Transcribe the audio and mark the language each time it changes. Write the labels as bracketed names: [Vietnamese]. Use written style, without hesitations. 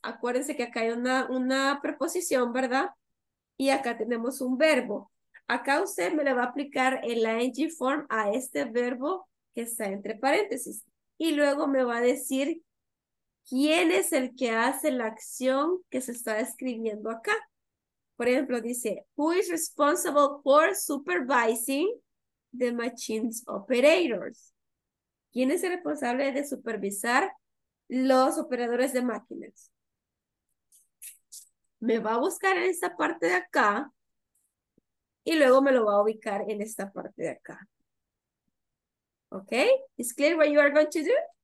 [Spanish] Acuérdense que acá hay una preposición, ¿verdad? Y acá tenemos un verbo. Acá usted me le va a aplicar el ING form a este verbo que está entre paréntesis. Y luego me va a decir quién es el que hace la acción que se está escribiendo acá. Por ejemplo, dice, [English] Who is responsible for supervising the machine's operators? [Spanish] ¿Quién es el responsable de supervisar los operadores de máquinas? Me va a buscar en esta parte de acá. Y luego me lo va a ubicar en esta parte de acá. ¿Ok? ¿Es claro lo que vas a hacer?